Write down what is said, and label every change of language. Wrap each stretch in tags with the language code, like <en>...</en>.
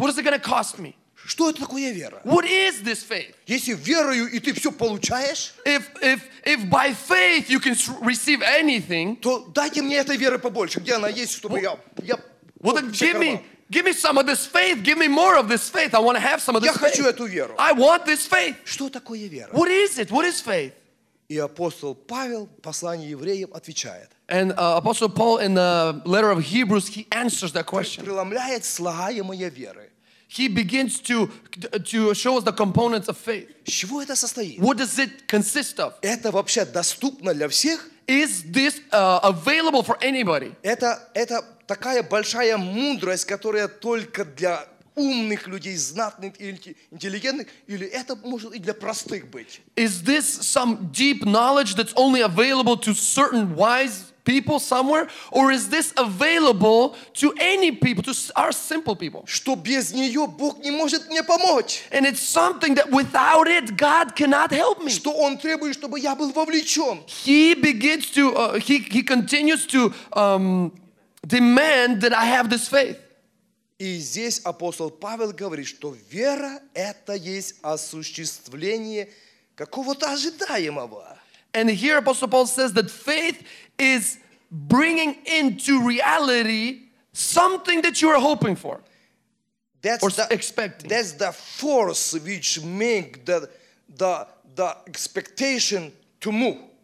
<en>What is it going to cost me?</en> <ru>Что это такое вера?</ru> <en>What is this faith?</en> <ru>Если верою и ты все получаешь,</ru> <en>if by faith you can receive anything,</en> <ru>то дайте мне этой веры побольше, где она есть, чтобы я</ru> <en>Well, then give me some of this faith. Give me more of this faith. I want to have some of this faith.</en> <ru>Я хочу эту веру.</ru> <en>I want this faith.</en> <ru>Что такое вера?</ru> <en>What is it? What is faith?</en> <ru>И апостол Павел в послании евреям отвечает.</ru> <en>And Apostle Paul in the letter of Hebrews, he answers that question.</en> <ru>Преломляет слова моей веры.</ru> <en>He begins to show us the components of faith.</en> <ru>Чего это состоит?</ru> <en>What does it consist of?</en> <ru>Это вообще доступно для всех?</ru> <en>Is this available for anybody?</en> <ru>Это такая большая мудрость, которая только для умных людей, знатных или интеллигентных, или это может и для простых быть?</ru> <en>Is this some deep knowledge that's only available to certain wise people somewhere, or is this available to any people, to our simple people?</en> <ru>Что без нее Бог не может мне помочь.</ru> <en>And it's something that without it, God cannot help me.</en> <ru>Что он требует, чтобы я был вовлечен.</ru> <en>He begins to, he continues to demand that I have this faith.</en> <ru>И здесь апостол Павел говорит, что вера это есть осуществление какого-то ожидаемого.</ru> <en>And here Apostle Paul says that faith is bringing into reality something that you are hoping for. That's or the, expecting. That's the force which makes the expectation to move.</en>